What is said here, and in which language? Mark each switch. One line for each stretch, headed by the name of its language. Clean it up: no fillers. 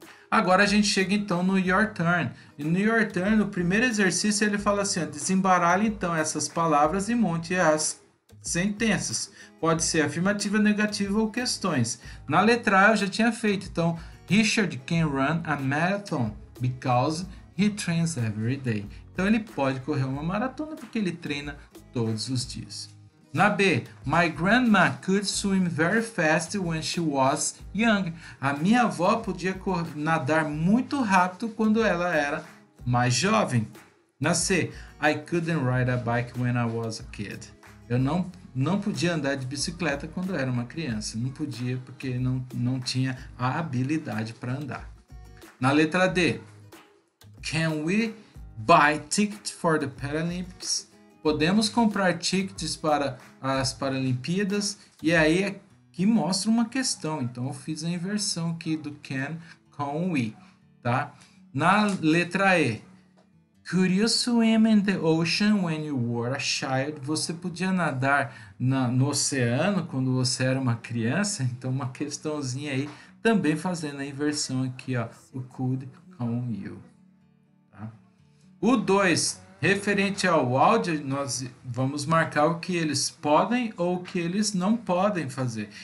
Portuguese: Agora a gente chega então no Your Turn. E no Your Turn, no primeiro exercício, ele fala assim: ó, desembaralhe então essas palavras e monte as sentenças. Pode ser afirmativa, negativa ou questões. Na letra A eu já tinha feito. Então,
English: Richard can run a marathon because he trains every day.
Portuguese: Então, ele pode correr uma maratona porque ele treina todos os dias. Na B,
English: my grandma could swim very fast when she was young.
Portuguese: A minha avó podia nadar muito rápido quando ela era mais jovem. Na C,
English: I couldn't ride a bike when I was a kid.
Portuguese: Eu não podia andar de bicicleta quando era uma criança. Não podia porque não tinha a habilidade para andar. Na letra D,
English: can we buy tickets for the Paralympics?
Portuguese: Podemos comprar tickets para as Paralimpíadas, e aí aqui mostra uma questão. Então, eu fiz a inversão aqui do can com we, tá? Na letra E,
English: could you swim in the ocean when you were a child?
Portuguese: Você podia nadar no oceano quando você era uma criança? Então, uma questãozinha aí, também fazendo a inversão aqui, ó, o could com you. O 2. Referente ao áudio, nós vamos marcar o que eles podem ou o que eles não podem fazer.